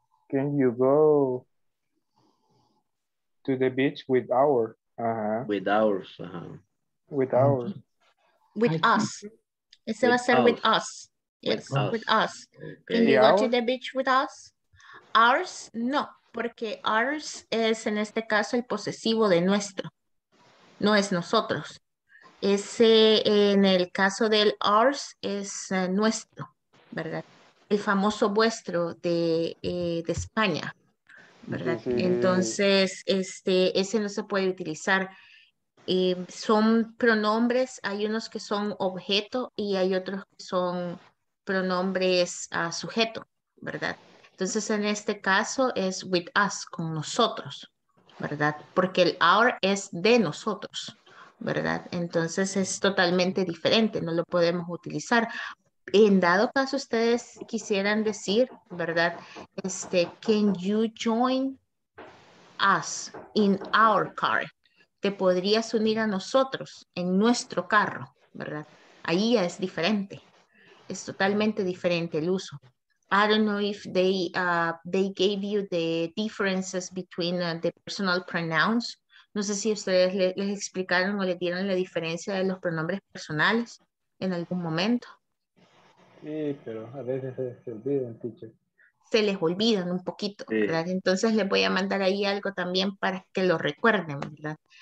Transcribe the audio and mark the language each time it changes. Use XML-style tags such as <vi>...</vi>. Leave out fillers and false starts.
<en>Can you go to the beach with our? With ours. With ours. With us.</en> <es>Ese va a ser</es> <en>with us. Yes, with us. Okay. Can you go to the beach with us?</en> <es>Ours, no, porque ours es en este caso el posesivo de nuestro, no es nosotros. Ese en el caso del ours es nuestro, ¿verdad? El famoso vuestro de España, ¿verdad? Sí, sí. Entonces, ese no se puede utilizar. Son pronombres, hay unos que son objeto y hay otros que son pronombres sujeto, ¿verdad? Entonces, en este caso es with us, con nosotros, ¿verdad? Porque el our es de nosotros, ¿verdad? Entonces, es totalmente diferente, no lo podemos utilizar. En dado caso, ustedes quisieran decir, ¿verdad?</es> <en>Can you join us in our car?</en> <es>¿Te podrías unir a nosotros en nuestro carro? ¿Verdad? Ahí ya es diferente, es totalmente diferente el uso.</es> <en>I don't know if they gave you the differences between the personal pronouns.</en> <es>No sé si ustedes les explicaron o les dieron la diferencia de los pronombres personales en algún momento. Sí, pero a veces se olvidan, teacher. Se les olvidan un poquito, sí. ¿Verdad? Entonces les voy a mandar ahí algo también para que lo recuerden, ¿verdad?</es>